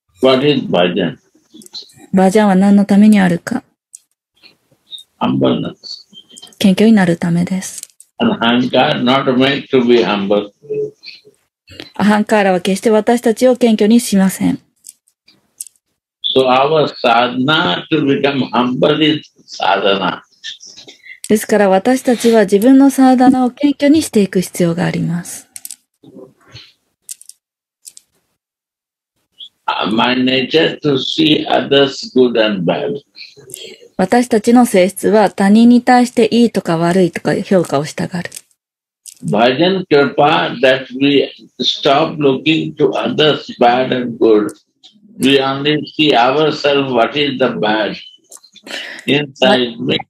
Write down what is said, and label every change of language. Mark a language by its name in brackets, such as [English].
[English] What is bhajan? [Japanese] バジャンは何のためにあるか。 [English] Humbleness. [Japanese] 謙虚になるためです。 [English] And ahankar not meant to be humble. [Japanese] アハンカーラは決して私たちを謙虚にしません。 [English] So our sadhana to become humble is sadhana. [Japanese] ですから私たちは自分のサーダナを謙虚にしていく必要があります。 [English] My nature to see others good and bad. [Japanese] 私たちの性質は他人に対していいとか悪いとか評価をしたがる。 [English] Bhajan kripa that we stop looking to others bad and good. We only see ourselves what is the bad inside me.